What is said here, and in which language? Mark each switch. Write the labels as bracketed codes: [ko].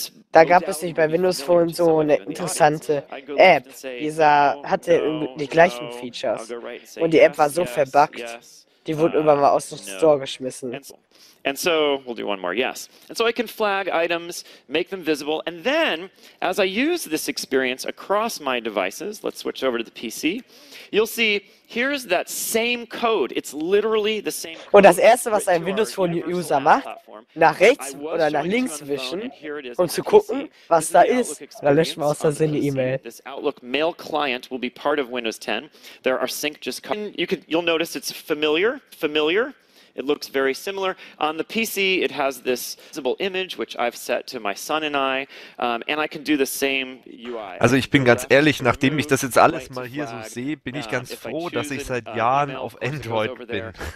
[de] Da gab es nicht bei Windows Phone so eine interessante App. Dieser hatte die gleichen Features. Und die App war so verbuggt. Die wurde immer mal aus dem Store geschmissen. [en] And so we'll do one more. Yes. And so I can flag items, make them visible, and then as I use this experience across my devices, let's switch over to the PC. You'll see here's that same code. It's literally the same code. [de] Und das erste, was ein Windows Phone User macht, nach rechts oder nach links wischen, um zu gucken, was da ist. Da löscht man aus Versehen die E-Mail. [en] This Outlook Mail client will be part of Windows 10. There are sync just you'll notice it's familiar. It looks very similar. On the PC, it has this visible image, which I've set to my son and I, and I can do the same UI. [de] Also ich bin ganz ehrlich, nachdem ich das jetzt alles mal hier so sehe, bin ich ganz froh, dass ich seit Jahren auf Android bin.